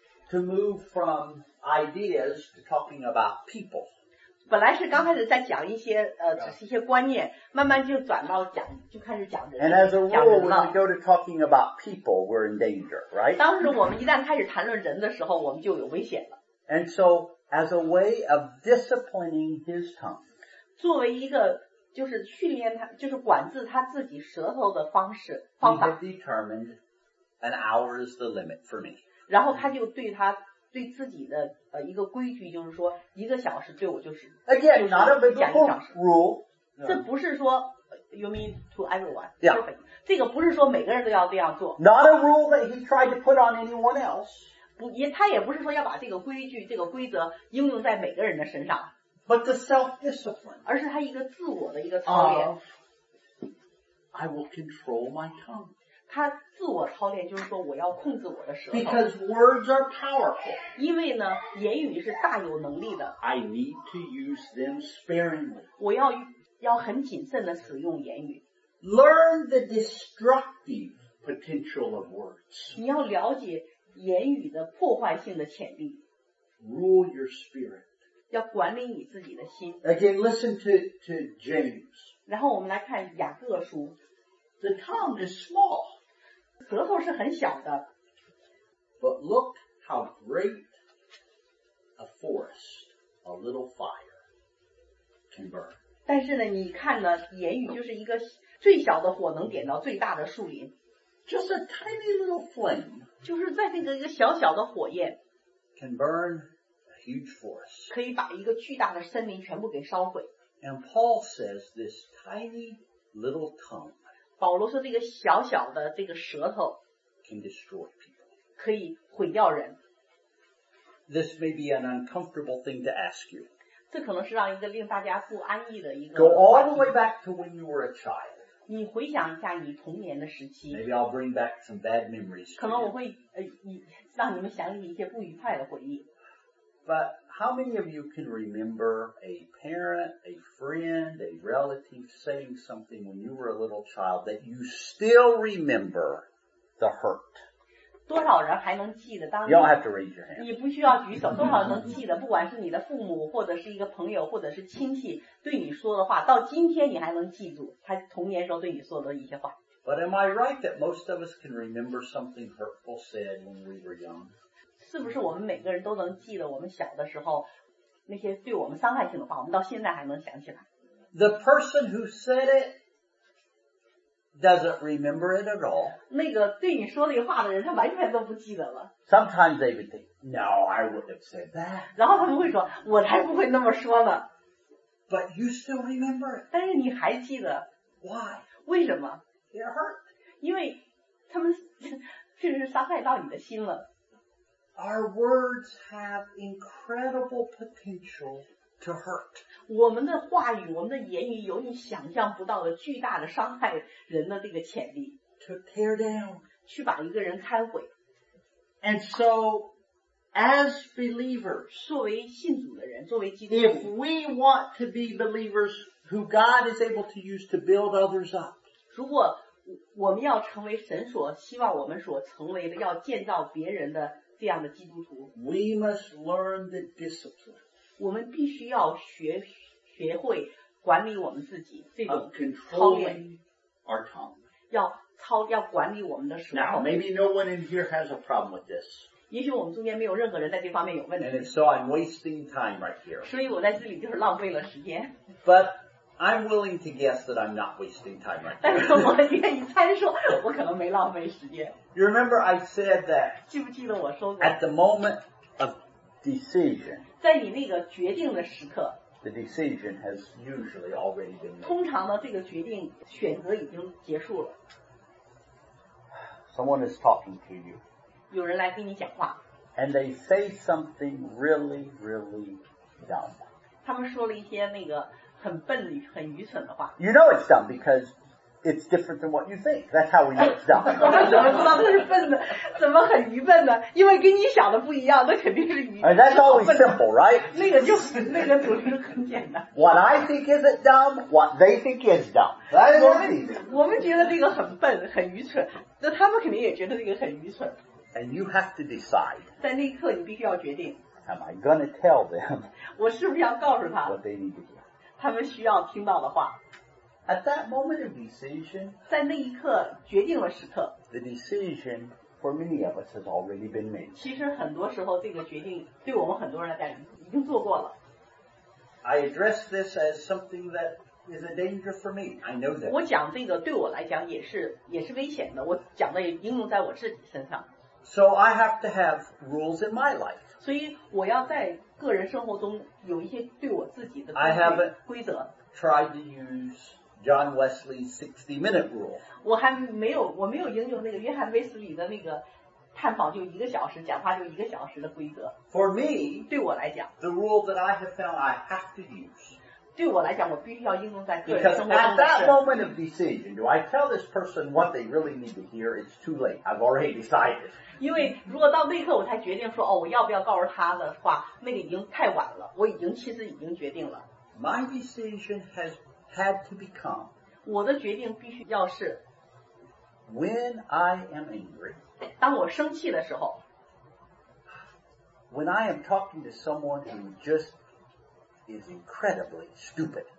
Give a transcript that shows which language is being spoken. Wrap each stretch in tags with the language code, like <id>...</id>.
<en>To move from ideas to talking about people.</en> <zh>本来是刚开始在讲一些只是一些观念，慢慢就转到讲，就开始讲人。</zh> <en>And as a rule, when we go to talking about people, we're in danger, right?</en> <zh>当时我们一旦开始谈论人的时候，我们就有危险了。</zh> <en>And so, as a way of disciplining his tongue,</en> <zh>作为一个就是训练他，就是管制他自己舌头的方式方法。</zh> <en>He had determined an hour is the limit for me.</en> <zh>然后他就对他。对自己的一个规矩就是说一个小时对我就是</zh> <en>again</en> <zh>就是讲一个小时</zh> <en>not a biblical rule、</en> <zh>这不是说</zh> <en>you mean to everyone、 yeah.</en> <zh>这个不是说每个人都要这样做</zh> <en>not a rule that he tried to put on anyone else</en> <zh>不也他也不是说要把这个规矩这个规则应用在每个人的身上</zh> <en>but the self-discipline</en> <zh>而是他一个自我的一个操练、</zh> <en>I will control my tongue</en> <zh>他自我操练就是说我要控制我的舌头</zh> <en>Because words are powerful.</en> <zh>因为呢言语是大有能力的</zh> <en>I need to use them sparingly.</en> <zh>我要很谨慎的使用言语</zh> <en>Learn the destructive potential of words.</en> <zh>你要了解言语的破坏性的潜力</zh> <en>Rule your spirit.</en> <zh>要管理你自己的心</zh> <en>Again, listen to James.</en> <zh>然后我们来看雅各书</zh> <en>The tongue is small.</en> <zh>舌头是很小的。</zh> <en>But look how great a forest a little fire can burn.</en> <zh>但是呢你看呢言语就是一个最小的火能点到最大的树林。</zh> <en>Just a tiny little flame.</en> <zh>就是在这个一个小小的火焰。</zh> <en>Can burn a huge forest.</en> <zh>可以把一个巨大的森林全部给烧毁。</zh> <en>And Paul says this tiny little tongue.</en> <zh>保罗说这个小小的这个舌头</zh> <en>can destroy people.</en> <zh>可以毁掉人</zh> <en>This may be an uncomfortable thing to ask you.</en> <zh>这可能是让一个令大家不安逸的一个</zh> <en>Go all the way back to when you were a child.</en> <zh>你回想一下你童年的时期</zh> <en>Maybe I'll bring back some bad memories.</en> <zh>可能我会让你们想起一些不愉快的回忆</zh> <en>But how many of you can remember a parent, a friend, a relative saying something when you were a little child that you still remember the hurt?</en> <zh>多少人还能记得当</zh> <en>你 You don't have to raise your hand.</en> <zh>你不需要举手多少人能记得不管是你的父母或者是一个朋友或者是亲戚对你说的话到今天你还能记住他童年时候对你说的一些话。</zh> <en>But am I right that most of us can remember something hurtful said when we were young?</en> <zh>是不是我们每个人都能记得我们小的时候那些对我们伤害性的话我们到现在还能想起来</zh> <en>The person who said it doesn't remember it at all</en> <zh>那个对你说那话的人他完全都不记得了</zh> <en>Sometimes they would think No, I would have said that</en> <zh>然后他们会说我才不会那么说呢</zh> <en>But you still remember it</en> <zh>但是你还记得</zh> <en>Why?</en> <zh>为什么</zh> <en>It hurt</en> <zh>因为他们确实伤害到你的心了</zh> <en>Our words have incredible potential to hurt.</en> <zh>我们的话语，我们的言语有你想象不到的巨大的伤害人的这个潜力。</zh> <en>To tear down.</en> <zh>去把一个人拆毁。</zh> <en>And so, as believers,</en> <zh>作为信主的人，作为基督徒，</zh> <en>if we want to be believers who God is able to use to build others up.</en> <zh>如果我们要成为神所希望我们所成为的要建造别人的这样的基督徒</zh> <en>We must learn the discipline.</en> <zh>我们必须要学会管理我们自己这种</zh> <en>controlling our tongue.</en> <zh>要管理我们的舌头</zh> <en>Now maybe no one in here has a problem with this.</en> <zh>也许我们中间没有任何人在这方面有问题</zh> <en>And so I'm wasting time right here.</en> <zh>所以我在这里就是浪费了时间</zh> <en>ButI'm willing to guess that I'm not wasting time right</en> <zh>now. 但是我愿意猜说我可能没浪费时间。</zh> <en>You remember I said that</en> <zh>记不记得我说过</zh> <en>at the moment of decision,</en> <zh>在你那个决定的时刻</zh> <en>the decision has usually already been made.</en> <zh>通常呢这个决定选择已经结束了。</zh> <en>Someone is talking to you.</en> <zh>有人来跟你讲话。</zh> <en>And they say something really, really dumb.</en> <zh>他们说了一些那个很笨的很愚蠢的话</zh> <en>You know it's dumb because it's different than what you think. That's how we know it's dumb.</en> <zh>我们怎么知道它是笨的怎么很愚笨呢因为跟你想的不一样那肯定是愚蠢</zh> <en>That's always simple, right?</en> <zh>那个就是那个总是很简单</zh> <en>What I think isn't dumb, what they think is dumb. That's easy.</en> <zh>我们觉得这个很笨很愚蠢那他们肯定也觉得这个很愚蠢</zh> <en>And you have to decide.</en> <zh>在那一刻你必须要决定</zh> <en>Am I going to tell them</en> <zh>我是不是要告诉他</zh> <en>what they need to do?</en> <zh>他们需要听到的话。</zh> <en>At that moment of decision,</en> <zh>在那一刻决定了时刻。</zh> <en>The decision for many of us has already been made.</en> <zh>其实很多时候这个决定对我们很多人来讲已经做过了。</zh> <en>I address this as something that is a danger for me. I know that.</en> <zh>我讲这个对我来讲也是危险的。我讲的也应用在我自己身上。</zh> <en>So I have to have rules in my life.</en> <zh>所以我要在个人生活中有一些对我自己的规则。</zh> <en>I haven't tried to use John Wesley's 60-minute rule.</en> <zh>我没有应用那个约翰威斯里的那个探访就一个小时讲话就一个小时的规则。</zh> <en>For me,</en> <zh>对我来讲</zh> <en>the rule that I have found I have to use.</en> <zh>对我来讲我必须要应用在个人生活中。</zh> <en>Because at that moment of decision, do I tell this person what they really need to hear? It's too late. I've already decided.</en> <zh>因为如果到那一刻我才决定说哦我要不要告诉他的话那个已经太晚了我已经其实已经决定了</zh> <en>My decision has had to become</en> <zh>我的决定必须要是</zh> <en>When I am angry</en> <zh>当我生气的时候</zh> <en>When I am talking to someone who just is incredibly stupid</en>